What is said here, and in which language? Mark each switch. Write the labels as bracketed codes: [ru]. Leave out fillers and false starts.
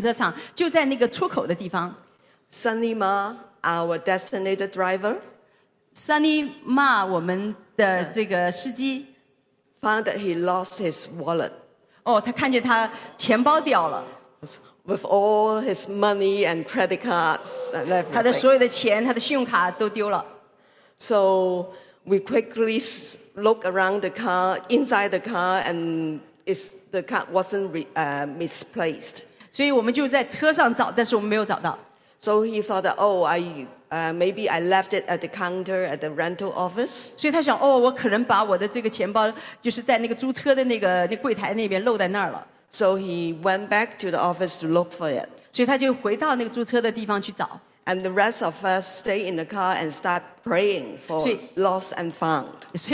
[zh] 就当我们就是车开出这个停车场，就在那个出口的地方。 [en] Sunny Ma, our designated driver, [zh] Sunny Ma, 我们的这个司机, [en] found that he lost his wallet. [zh] Oh, 他看见他钱包掉了。 [en] With all his money and credit cards and everything. [zh] 他的所有的钱，他的信用卡都丢了。 [en] So we quickly look around the car, inside the car, and the car wasn't misplaced. [zh] 所以我们就在车上找，但是我们没有找到。 [en] So he thought that, oh, maybe I left it at the counter at the rental office. [zh] 所以他想, oh, 我可能把我的这个钱包就是在那个租车的那个柜台那边漏在那儿了。 [en] So he went back to the office to look for it. [zh] 所以他就回到那个租车的地方去找。 [en] And the rest of us stay in the car and start praying for lost and found.